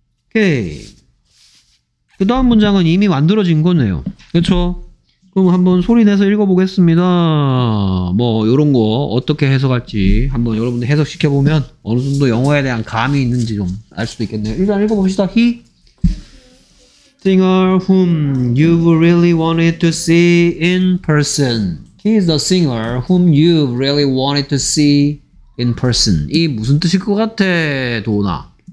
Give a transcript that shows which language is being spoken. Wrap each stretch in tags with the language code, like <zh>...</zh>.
<ko>오케이. 그 다음 문장은 이미 만들어진 거네요. 그렇죠? 그럼 한번 소리 내서 읽어보겠습니다. 뭐 이런 거 어떻게 해석할지 한번 여러분들 해석시켜보면 어느 정도 영어에 대한 감이 있는지 좀 알 수도 있겠네요. 일단 읽어봅시다.</ko> <en>He singer whom you've really wanted to see in person. He's the singer whom you've really wanted to see in person.</en> <ko>이 무슨 뜻일 것 같아, 도우나?</ko>